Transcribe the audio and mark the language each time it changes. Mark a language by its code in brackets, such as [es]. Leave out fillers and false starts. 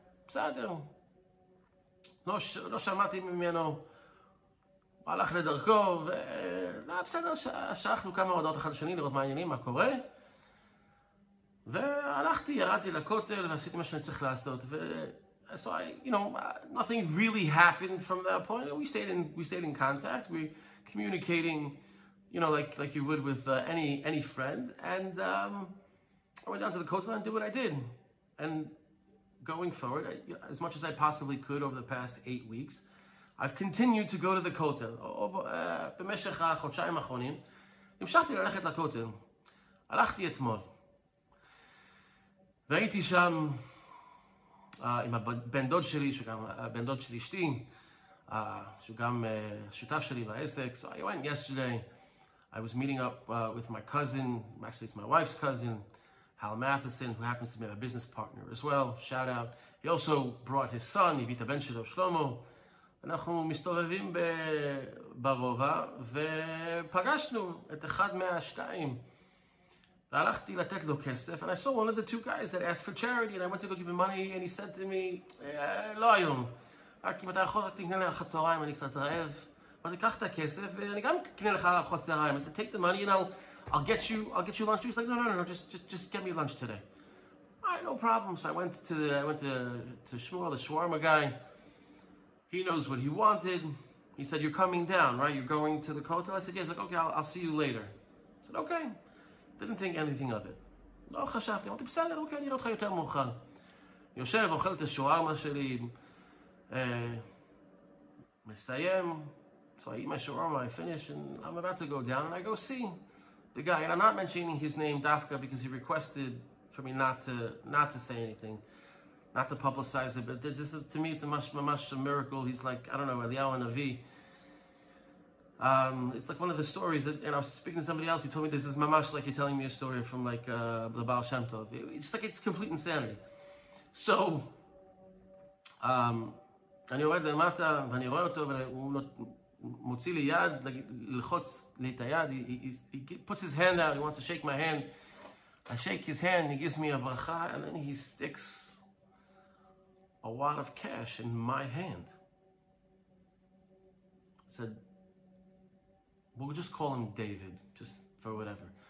[he] בסדר. לא שמעתי ממנו, הוא הלך לדרכו, בסדר, שלחנו כמה הודעות אחד לשני לראות מה העניינים, מה קורה. והלכתי, ירדתי לכותל ועשיתי מה שאני צריך לעשות. [en] So I, you know, nothing really happened from that point. We stayed in contact. We communicating, you know, like you would with any friend. And I went down to the kotel and did what I did. And going forward, as much as I possibly could over the past 8 weeks, I've continued to go to the kotel. [he] במשך החודשיים האחרונים, המשכתי ללכת לכותל. הלכתי אתמול. והייתי שם עם הבן דוד שלי, שהוא גם הבן דוד של אשתי, שהוא גם שותף שלי בעסק. [en] So I went yesterday, I was meeting up with my cousin, actually it's my wife's cousin, Hal Matheson, who happens to be my business partner as well, shout out. He also brought his son, [he] הביא את הבן שלו, שלמה. אנחנו מסתובבים ברובע, ופגשנו את אחד מהשתיים. והלכתי לתת לו כסף, [en] and I saw one of the two guys that asked for charity, and I went to go give him money, and he said to me, [he] לא היום, רק אם אתה יכול, רק תקנה לי ארוחת צהריים, אני קצת רעב. אבל תקח את הכסף, ואני גם אקנה לך ארוחת צהריים. [en] I said, take the money, and I'll get you lunch. He's like, no, just get me lunch today. All right, no problem. So I went to Shmuel, the shawarma guy. He knows what he wanted. He said, you're coming down, right? You're going to the kotel? I said, yeah. He's like, okay, I'll see you later. I said, okay. Didn't think anything of it. [he] לא חשבתי, אמרתי בסדר, אוקיי, אני אראה אותך יותר מאוחר. יושב, אוכל את השוארמה שלי, מסיים, [en] so I eat my shawarma, I finish, and I'm about to go down, and I go see the guy, and I'm not mentioning his name, Dafka, because he requested for me not to say anything, not to publicize it, but this is, to me, it's a much, much a miracle. He's like, I don't know, Eliyahu Navi. It's like one of the stories that, and I was speaking to somebody else, he told me this is mamash, like you're telling me a story from like the Baal Shem Tov. It's like it's complete insanity. [he] So, אני יורד למטה ואני רואה אותו והוא מוציא לי יד, ללחוץ לי את היד. [en] He puts his hand out, he wants to shake my hand. I shake his hand, he gives me a bracha, and then he sticks a wad of cash in my hand. Said, we'll just call him David, just for whatever.